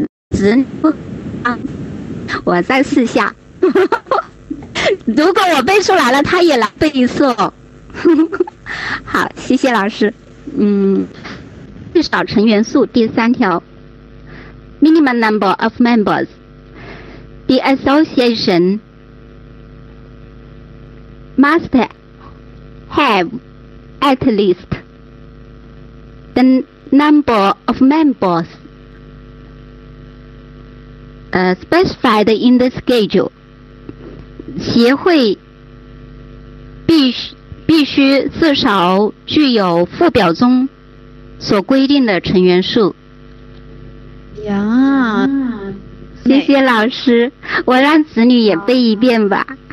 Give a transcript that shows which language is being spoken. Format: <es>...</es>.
<zh>子女，我再试下。如果我背出来了，他也来背一次。好，谢谢老师。最少成员数第三条，</zh> <en>minimum number of members. The association must have at least the number of members specified in the schedule.</en> <zh>协会必须至少具有附表中所规定的成员数。呀，谢谢老师，我让子女也背一遍吧。</zh>